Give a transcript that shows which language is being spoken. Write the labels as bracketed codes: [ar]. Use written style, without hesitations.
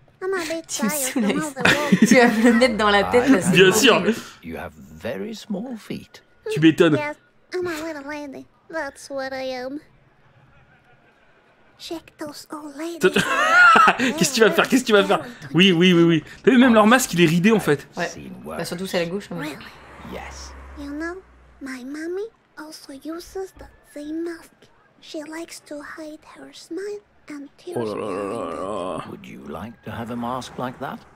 [en] I'm a bit tired from all the walking. [fr] Tu vas me le mettre dans la tête. Bien sûr. [en] You have very small feet. [fr] Tu m'étonnes. [en] Yes, I'm a little lady. That's what I am. Check those old ladies. [fr] Qu'est-ce que tu vas faire? Qu'est-ce que tu vas faire? Oui. T'as vu, même leur masque, il est ridé en fait. Ouais. Bah, surtout c'est à la gauche. [en] Really? Yes. You know, my mommy also uses the same mask. She likes to hide her smile and tears. [fr] Oh là là là là. [en] Would you like to have a mask like that?